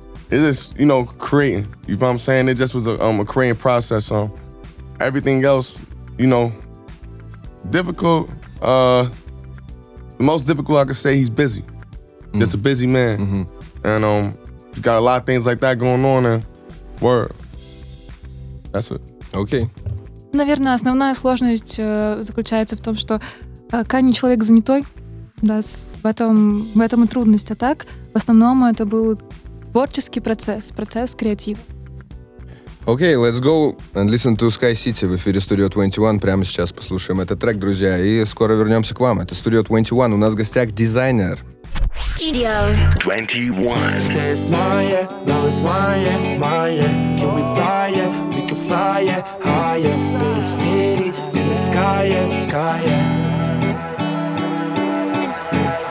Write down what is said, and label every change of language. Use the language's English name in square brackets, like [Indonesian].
[English] It is, you know, creating. You know what I'm saying? It just was a creating process. Everything else, you know, difficult. The most difficult I could say, he's busy. Mm-hmm. Just a busy man. Mm-hmm. And he's got a lot of things like that going on. And word. That's it. Okay. [Russian] Наверное, основная сложность заключается в том, что Канье человек занятой, да, в этом и трудность, а так в основном это был творческий процесс, процесс креатива. [English] Okay, let's go and listen to Sky City [Russian] в эфире [English] Studio 21. [Russian] Прямо сейчас послушаем этот трек, друзья, и скоро вернемся к вам. Это Studio 21, у нас в гостях дизайнер. [English] Studio 21. This is my, yeah, no, it's my, yeah, my, yeah. Can we fly, yeah? can fly it higher. The city in the sky, yeah, sky, yeah.